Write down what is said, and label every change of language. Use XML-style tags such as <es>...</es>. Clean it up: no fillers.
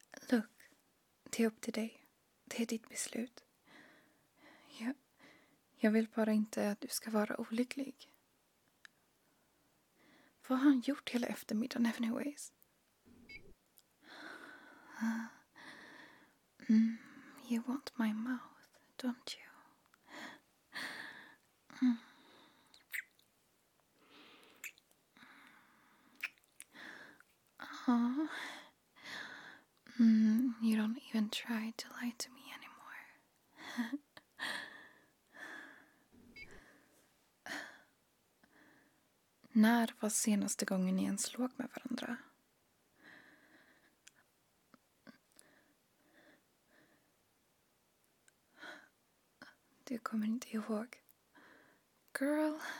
<sv>Look, det är upp till dig. Det är ditt beslut. Jag vill bara inte att du ska vara olycklig. Vad har han gjort hela eftermiddagen anyways?</sv> <en>You want my mouth, don't you? You don't even try to lie to me anymore.</en> <sv>När var senaste gången ni ens låg med varandra? Du kommer inte ihåg. Girl.</sv>